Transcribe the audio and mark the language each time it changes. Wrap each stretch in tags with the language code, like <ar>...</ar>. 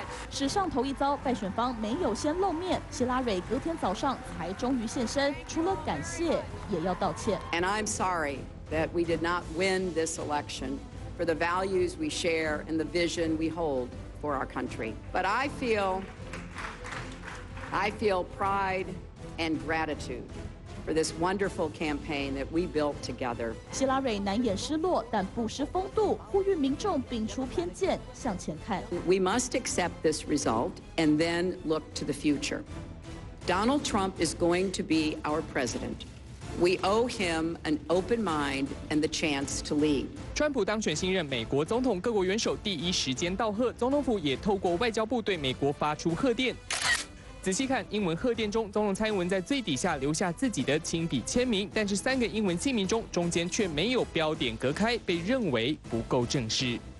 <zh>史上头一遭，败选方没有先露面，希拉蕊隔天早上才终于现身，除了感谢，也要道歉。</zh> <en>And I'm sorry that we did not win this election for the values we share and the vision we hold for our country. But I feel pride and gratitude for this wonderful campaign that we built together.</en> <zh>希拉蕊难掩失落，但不失风度，呼吁民众摒除偏见，向前看。</zh> <en>We must accept this result and then look to the future. Donald Trump is going to be our president. We owe him an open mind and the chance to lead.</en> <zh>川普当选新任美国总统，各国元首第一时间道贺，总统府也透过外交部对美国发出贺电。仔细看英文贺电中，总统蔡英文在最底下留下自己的亲笔签名，但是三个英文姓名中间却没有标点隔开，被认为不够正式。</zh>